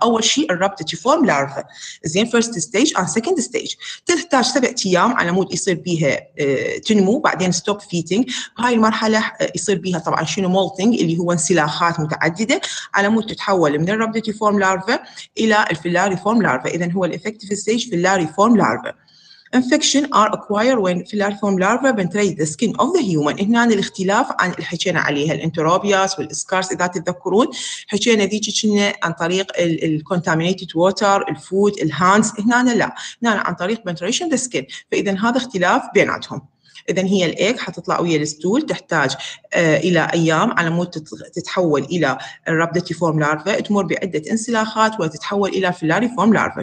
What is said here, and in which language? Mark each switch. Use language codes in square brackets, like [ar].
[ar] اول شيء الرابتي فورم لارفا زين [en] first stage and second stage, [ar] تحتاج 7 ايام على مود يصير بيها تنمو، بعدين [en] Stop feeding. [ar] هاي المرحله يصير بيها طبعا شنو مولتينج اللي هو انسلاخات متعدده على مود تتحول من الرابتي فورم لارفا الى الفيلاري فورم لارفا. اذا هو الافكتيف ستيج فيلاري فورم لارفا. [en] Infection are acquired when filariform larva penetrate the skin of the human. [ar] هنا الاختلاف عن الحكينا عليها الانتروبياس والإسكارس إذا تتذكرون، حكينا ذيك كنا عن طريق ال [en] contaminated water, [ar] الفود, الهانز. هنا لا، هنا عن طريق [en] penetration the skin. [ar] فإذا هذا اختلاف بيناتهم. إذا هي الإيك حتطلع ويا الستول، تحتاج إلى أيام على مود تتحول إلى الرابدتي فورم لارفا، تمر بعدة انسلاخات وتتحول إلى فيلاري فورم لارفا.